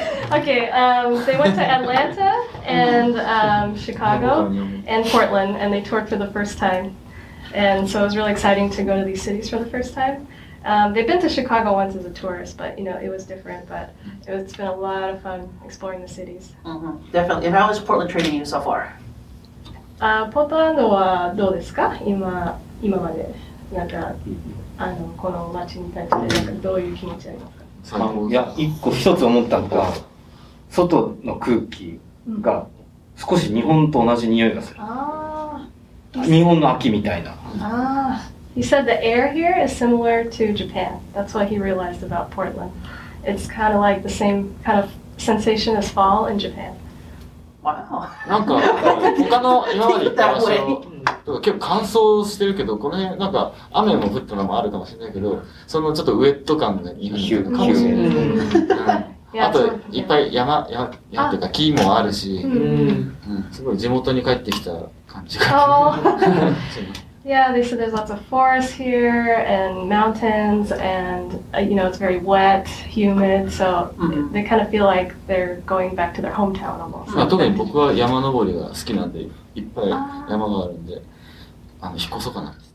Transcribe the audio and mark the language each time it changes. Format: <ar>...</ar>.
<en>Okay, they went to Atlanta and Chicago and Portland and they toured for the first time. And so it was really exciting to go to these cities for the first time. They've been to Chicago once as a tourist, but you know, it was different, but it's been a lot of fun exploring the cities. Mm-hmm. Definitely. And how is Portland treating you so far?</en> <ja>Portland はどうですか?今まで。なんか、この街に対してどういう気持ちありますか？いや、一個一つ思ったのが、外の空気が少し日本と同じ匂いがする。あ、日本の秋みたいな。</ja> <en>He said the air here is similar to Japan. That's what he realized about Portland. It's kind of like the same kind of sensation as fall in Japan. Wow.</en> <ja>なんか他の今まで行った結構乾燥してるけど、この辺なんか雨も降ったのもあるかもしれないけど、そのちょっとウェット感が日本に来るのかもしれない。あといっぱい山とか木もあるし、すごい地元に帰ってきた感じが。</ja> <en>Yeah, they said there's lots of forests here and mountains and you know, it's very wet, humid, so they kind of feel like they're going back to their hometown almost.</en> <ja>特に僕は山登りが好きなんで、いっぱい山があるんで、引っ越そうかな。</ja>